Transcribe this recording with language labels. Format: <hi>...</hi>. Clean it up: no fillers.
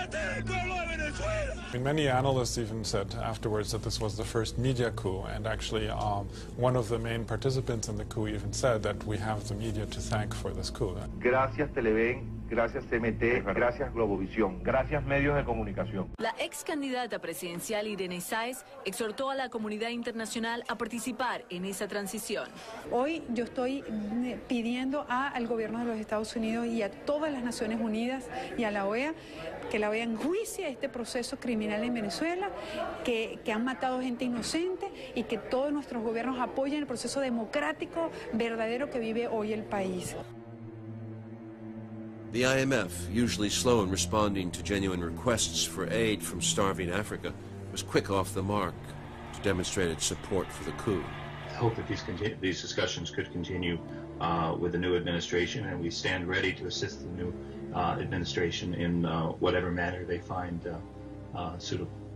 <en>I mean, many analysts even said afterwards that this was the first media coup, and actually one of the main participants in the coup even said that we have the media to thank for this coup.</en> <es>Gracias Televen, gracias CMT, gracias Globovisión, gracias medios de comunicación. La ex candidata presidencial Irene Sáez exhortó a la comunidad internacional a participar en esa transición. Hoy yo estoy pidiendo al gobierno de los Estados Unidos y a todas las Naciones Unidas y a la OEA que la OEA enjuicie este proceso criminal en Venezuela, que han matado gente inocente y que todos nuestros gobiernos apoyen el proceso democrático verdadero que vive hoy el país.</es> <en>The IMF, usually slow in responding to genuine requests for aid from starving Africa, was quick off the mark to demonstrate its support for the coup. I hope that these discussions could continue with the new administration, and we stand ready to assist the new administration in whatever manner they find suitable.</en>